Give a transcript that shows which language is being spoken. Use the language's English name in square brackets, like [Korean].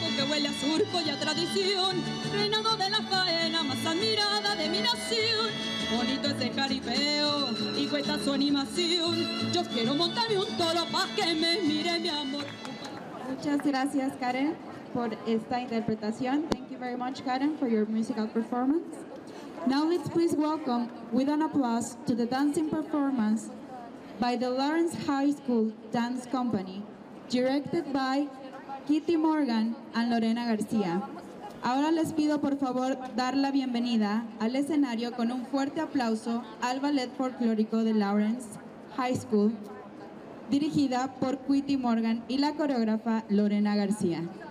[Spanish] Huele a surco y a tradición, reinado de la faena más admirada de mi nación. Bonito es el jaripeo y cuesta su animación. Yo quiero montarme un toro pa' que me mire mi amor. Muchas gracias, Karen, por esta interpretación. [English] Thank you very much, Karen, for your musical performance. Now let's please welcome with an applause to the dancing performance by the Lawrence High School Dance Company, directed by Kitty Morgan and Lorena García. [Spanish] Ahora les pido por favor dar la bienvenida al escenario con un fuerte aplauso al ballet folclórico de Lawrence High School, dirigida por Kitty Morgan y la coreógrafa Lorena García.